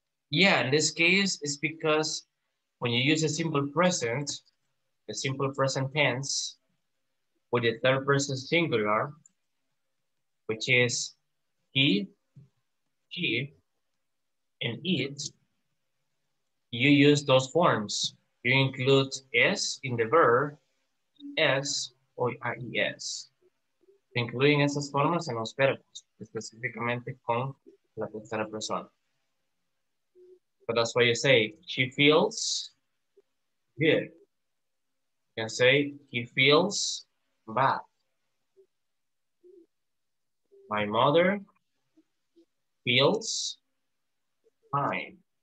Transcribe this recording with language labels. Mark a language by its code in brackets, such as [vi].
[en] Yeah, in this case, it's because when you use a simple present, the simple present tense, with the third person singular, which is he, she, and it, you use those forms. You include S in the verb, S or IES. [es] Incluyen esas formas en los verbos, específicamente con la tercera persona. [en] But that's why you say, she feels good. You can say, he feels bad. My mother feels fine.